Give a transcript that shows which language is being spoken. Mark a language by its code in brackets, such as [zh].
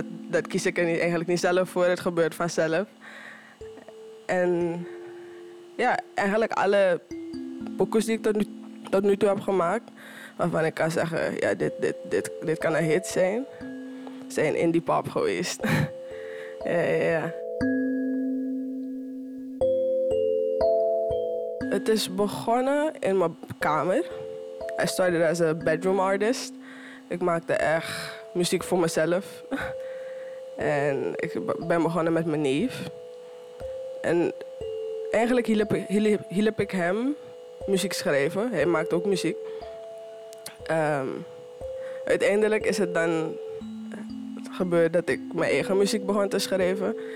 [nl] Dat kies ik er eigenlijk niet zelf voor, het gebeurt vanzelf. En ja, eigenlijk alle pokus die ik tot nu toe heb gemaakt, waarvan ik kan zeggen, ja, dit kan een hit zijn, zijn indie pop geweest. Ja. Het is begonnen in mijn kamer. [en] I started as a bedroom artist. [nl] Ik maakte echt muziek voor mezelf. En ik ben begonnen met mijn neef. En eigenlijk hielp ik hem muziek schrijven. Hij maakt ook muziek. Uiteindelijk is het dan gebeurd dat ik mijn eigen muziek begon te schrijven.